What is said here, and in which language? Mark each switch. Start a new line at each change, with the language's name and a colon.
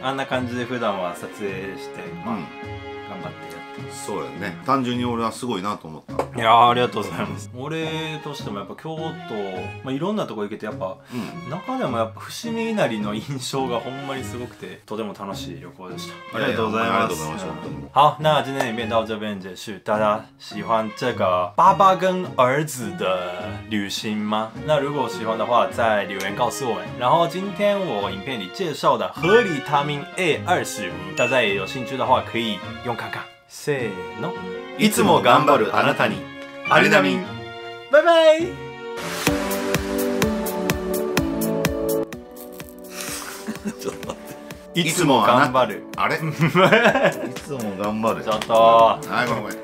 Japanese: あんな感じで普段は撮影して、まあ、うん、頑張ってやってます。そうやね、単純に俺はすごいなと思った。いやありがとうございます。俺としてもやっぱ京都、まあ、いろんなとこ行けてやっぱ、うん、中でもやっぱ伏見稲荷の印象がほんまにすごくて、とても楽しい旅行でした。ありがとうございます。いやいや、ありがとうございます。
Chinese: 好，那今天影片到这边结束。大家喜欢这个爸爸跟儿子的旅行吗？那如果喜欢的话，在留言告诉我们。然后今天我影片里介绍的合理他命 A25， 大家也有兴趣的话可以用看看。
Japanese: せーの，いつも頑張るあなたに、アリナミン。バイバイ。いつも頑張る。あれ？いつも頑張る。ちょっと。はい、ごめん。